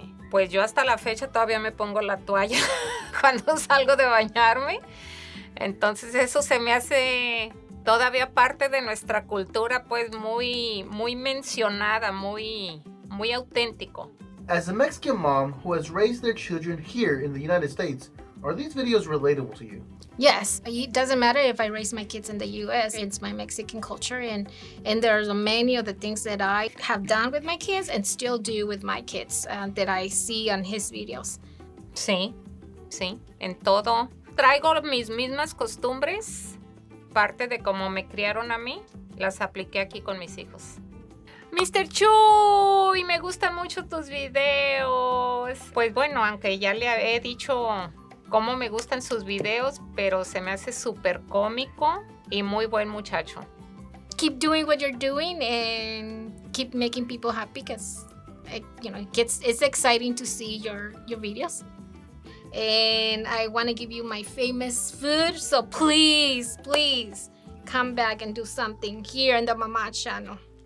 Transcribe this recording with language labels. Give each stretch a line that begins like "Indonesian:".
Spanish: Pues yo hasta la fecha todavía me pongo la toalla cuando salgo de bañarme. Entonces eso se me hace todavía parte de nuestra cultura, pues muy, muy mencionada, muy... muy auténtico.
English: As a Mexican mom who has raised their children here in the United States, are these videos relatable to you? Yes. It doesn't matter if I raise my kids in the U.S. It's my Mexican culture, and there are many of the things that I have done with my kids and still do with my kids that I see on his videos.
Spanish: Sí, sí. En todo. Traigo mis mismas costumbres, parte de cómo me criaron a mí, las apliqué aquí con mis hijos. Mr. Chuy, me gustan mucho tus videos. Pues bueno, aunque ya le he dicho cómo me gustan sus videos, pero se me hace súper cómico y muy buen muchacho.
English: Keep doing what you're doing and keep making people happy because, you know, it's exciting to see your videos. And I want to give you my famous food. So please, please come back and do something here in the Mama channel.